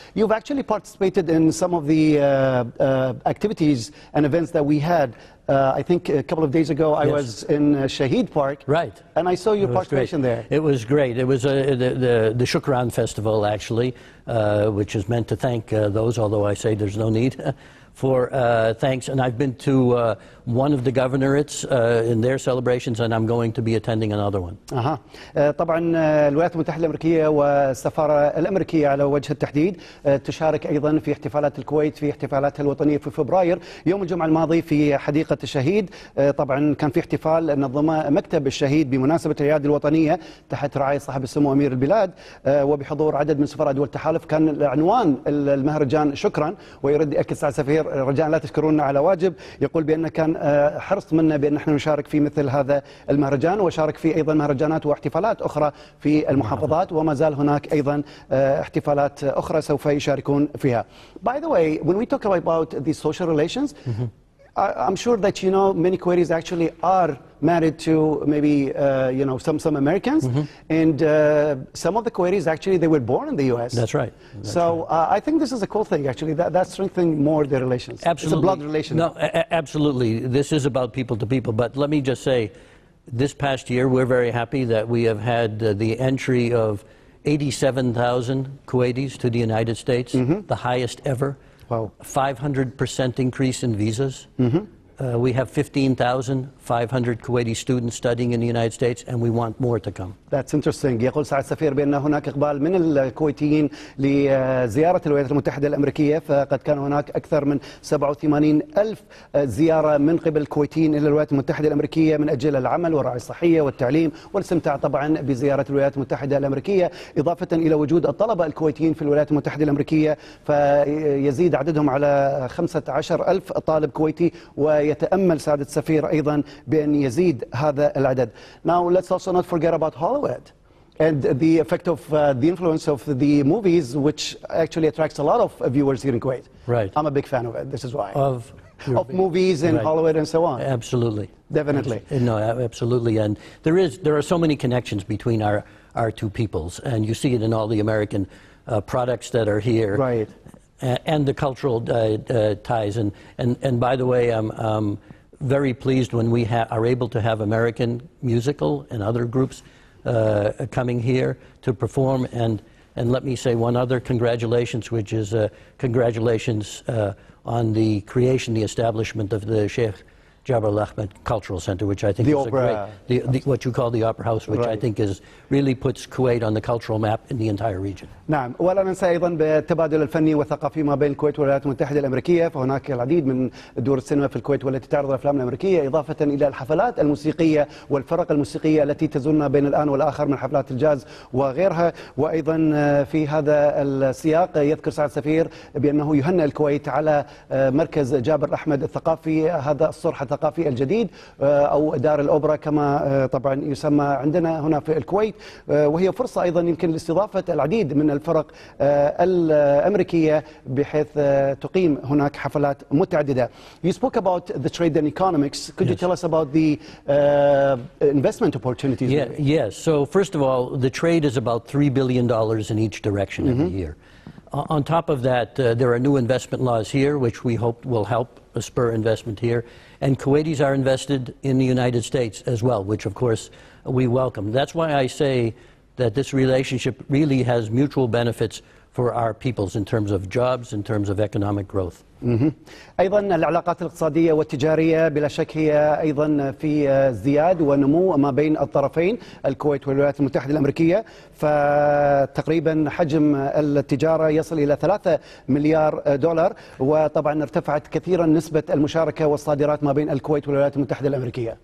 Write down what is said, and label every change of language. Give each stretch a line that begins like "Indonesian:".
English: You've actually participated in some of the activities and events that we had. I think a couple of days ago I yes. was in Shaheed Park. Right. And I saw your participation great. There. It was great. It was the Shukran Festival, actually, which is meant to thank those, although I say there's no need, for thanks. And I've been to one of the governorates in their celebrations, and I'm going to be attending another one. Uh-huh.
Arabic: طبعا الولايات المتحدة الأمريكية والسفارة الأمريكية على وجه التحديد تشارك أيضا في احتفالات الكويت في احتفالاتها الوطنية في فبراير يوم الجمعة الماضي في حديقة الشهيد. طبعا كان في احتفال نظم مكتب الشهيد بمناسبة الأعياد الوطنية تحت رعاية صاحب السمو أمير البلاد وبحضور عدد من سفراء دول التحالف. كان العنوان المهرجان شكرا ويرد أكد سعادة السفير رجاء لا تشكرونا على واجب. يقول بأن كان حرص منا بأن نحن نشارك في مثل هذا المهرجان وشارك في أيضا مهرجانات واحتفالات أخرى في المحافظات وما زال هناك أيضا احتفالات أخرى سوف يشاركون فيها.
English: By the way, when we talk about the social relations, I'm sure that you know many Kuwaitis actually are married to maybe you know some Americans, and some of the Kuwaitis actually they were born in the U.S. That's right. I think this is a cool thing actually. That strengthens more the relations. Absolutely, it's a blood relation. No, absolutely. This is about people to people. But let me just say, this past year we're very happy that we have had the entry of 87,000 Kuwaitis to the United States, the highest ever. Wow. 500% increase in visas. Mm-hmm. We have 15,000 500 Kuwaiti students studying in the United States, and we want more to come. That's interesting.
Arabic: يقول سعد السفير بأن هناك إقبال من الكويتيين لزيارة الولايات المتحدة الأمريكية، فقد كان هناك أكثر من 87 ألف زيارة من قبل الكويتيين إلى الولايات المتحدة الأمريكية من أجل العمل والرعاية الصحية والتعليم والاستمتاع طبعا بزيارة الولايات المتحدة الأمريكية، إضافة إلى وجود الطلبة الكويتيين في الولايات المتحدة الأمريكية، فيزيد عددهم على 15 ألف طالب كويتي، ويتأمل سعد السفير أيضا بأن يزيد هذا العدد.
English: Now let's also not forget about Hollywood and the effect of the influence of the movies, which actually attracts a lot of viewers here in Kuwait. Right. I'm a big fan of it. This is why. Of movies and right. Hollywood and so on. Absolutely. Definitely. No, absolutely. And there are so many connections between our two peoples, and you see it in all the American products that are here. Right. And the cultural ties. And by the way, I'm very pleased when we are able to have American musical and other groups coming here to perform. And let me say one other congratulations, which is congratulations on the creation, the establishment of the Sheikh Jaber Al-Ahmed Cultural Center, which I think the is opera. A great, the what you call the opera house, which right. I think is really puts Kuwait on the cultural map in the entire region.
Arabic: نعم، ولا ننسى أيضا بالتبادل الفني والثقافي ما بين الكويت والولايات المتحدة الأمريكية، فهناك العديد من دور السينما في الكويت والتي تعرض الأفلام الأمريكية، إضافة إلى الحفلات الموسيقية والفرق الموسيقية التي تزورنا بين الآن والآخر من حفلات الجاز وغيرها. وأيضا في هذا السياق يذكر سعد السفير بأنه يهنئ الكويت على مركز جابر أحمد الثقافي، هذا الصرح الثقافي الجديد أو دار الأوبرا كما طبعا يسمى عندنا هنا في الكويت، وهي فرصة أيضا يمكن لاستضافة العديد من الفرق الأمريكية بحيث تقيم هناك حفلات متعددة.
English: You spoke about the trade and economics. Could yes. you tell us about the investment opportunities? Yeah, yes. So first of all, the trade is about $3 billion in each direction mm-hmm. every year. On top of that, there are new investment laws here, which we hope will help spur investment here. And Kuwaitis are invested in the United States as well, which of course we welcome. That's why I say that this relationship really has mutual benefits for our peoples in terms of jobs, in terms of economic growth.
Arabic: أيضا العلاقات الاقتصادية والتجارية بلا شك هي أيضا في ازدياد ونمو ما بين الطرفين الكويت والولايات المتحدة الأمريكية، فتقريبا حجم التجارة يصل إلى 3 مليار دولار، وطبعا ارتفعت كثيرا نسبة المشاركة والصادرات ما بين الكويت والولايات المتحدة الأمريكية.